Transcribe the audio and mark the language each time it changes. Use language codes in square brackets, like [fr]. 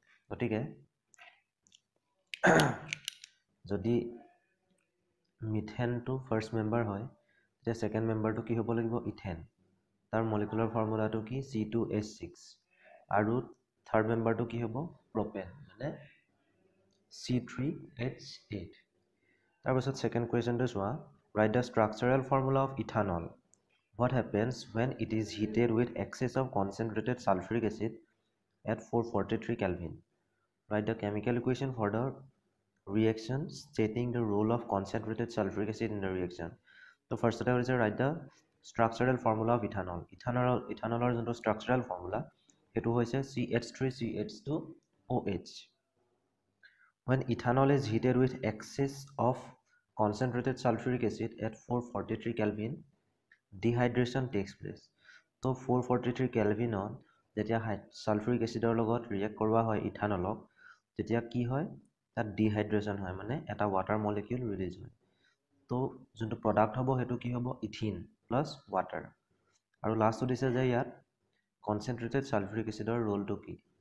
[as] গতিকে যদি মিথেনটো first member হয়, তেতিয়া ছেকেণ্ড মেম্বাৰটো কি হ'ব লাগিব? ইথেন। তাৰ মলিকুলাৰ ফৰ্মুলাটো কি? C2H6। আৰু থাৰ্ড মেম্বাৰটো কি হ'ব? প্ৰপেন, মানে C3H8। তাৰপাছত ছেকেণ্ড কুৱেশ্যনটো চোৱা, [en] Write the structural formula of ethanol. What happens when it is heated with excess of concentrated sulfuric acid at 443 Kelvin? Write the chemical equation for the reaction stating the role of concentrated sulfuric acid in the reaction. So first of all, write the structural formula of ethanol. Ethanol is the structural formula. It is CH3CH2OH. When ethanol is heated with excess of concentrated sulfuric acid at 443 Kelvin, dehydration takes place. [as] তো 443 কেলভিনত যেতিয়া সালফিউৰিক এচিডৰ লগত react কৰোৱা হয় ইথানলক, তেতিয়া কি হয়? তাত ডিহাইড্ৰেশ্যন হয়, মানে এটা ৱাটাৰ মলিকিউল ৰিলিজ হয়। তো যোনটো প্ৰডাক্ট হ'ব সেইটো কি হ'ব? Ethene plus water. আৰু লাষ্টটো দিছে যে ইয়াত কনচেনট্ৰেটেড সালফিউৰিক এচিডৰ ৰোলটো কি?